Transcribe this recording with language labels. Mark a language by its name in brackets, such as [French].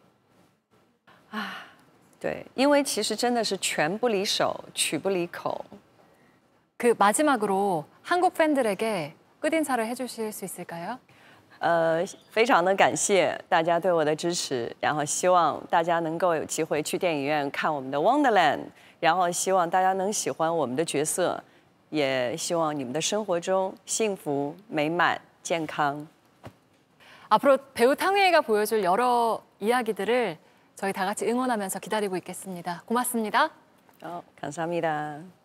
[Chinese] 直接的反馈给对手，嗯，其他的作为演员，我就想好好的，尽可能吧。我希望一年能够拍一部电影，然后呢，中间可以踏踏实实的，攒自己的能量，攒自己的生活，然后一个角色来的时候就给他，啊。对，因为其实真的是拳不离手，曲不离口。그 [Korean] 마지막으로 한국 팬들에게 끝인사를 해주실 수 있을까요? [Chinese] 非常的感谢大家对我的支持，然后希望大家能够有机会去电影院看我们的 Wonderland，然后希望大家能喜欢我们的角色，也希望你们的生活中幸福美满健康。 [Korean] 앞으로 배우 탕혜이가 보여줄 여러 이야기들을 저희 다 같이 응원하면서 기다리고 있겠습니다. 고맙습니다. 감사합니다.